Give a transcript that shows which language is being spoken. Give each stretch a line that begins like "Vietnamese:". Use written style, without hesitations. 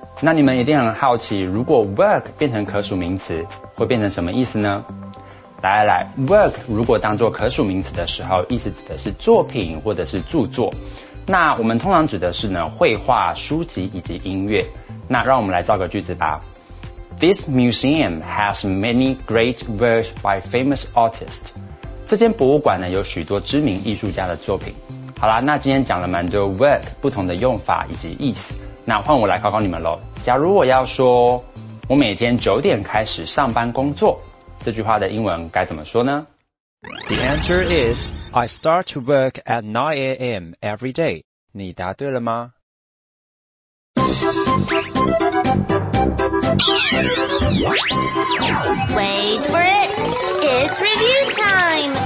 Chinese: 那你们一定很好奇，如果 work 变成可数名词会变成什么意思呢？来来来， work 如果当作可数名词的时候，意思指的是作品或者是著作。那我们通常指的是呢绘画、书籍以及音乐。那让我们来造个句子吧。
English: This museum has many great works by famous artists.
Chinese: 这间博物馆呢有许多知名艺术家的作品。好啦，那今天讲了蛮多 work 不同的用法以及意思。那换我来考考你们咯。假如我要说我每天九点开始上班工作，这句话的英文该怎么说呢？
English: The answer is, I start to work at 9 a.m. every day.
Chinese: 你答对了吗？
English: Wait for it! It's review time!